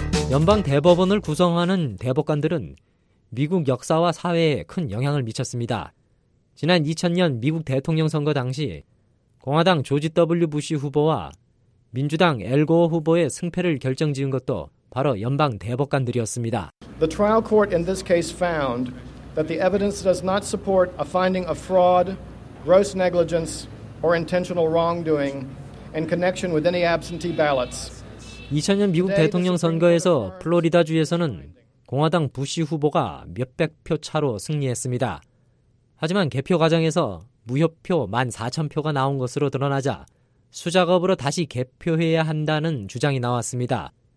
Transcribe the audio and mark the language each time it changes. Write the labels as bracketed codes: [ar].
[ko] 연방 대법원을 구성하는 대법관들은 미국 역사와 사회에 큰 영향을 미쳤습니다. 지난 2000년 미국 대통령 선거 당시 공화당 조지 W. 부시 후보와 민주당 엘고어 후보의 승패를 결정지은 것도 바로 연방 대법관들이었습니다. [en] The trial court in this case found that the evidence does not support a finding of fraud, gross negligence, or intentional wrongdoing in connection with any absentee ballots. [ko] 2000년 미국 대통령 선거에서 플로리다주에서는 공화당 부시 후보가 몇백 표 차로 승리했습니다. 하지만 개표 과정에서 무효표 14,000표가 나온 것으로 드러나자 수작업으로 다시 개표해야 한다는 주장이 나왔습니다.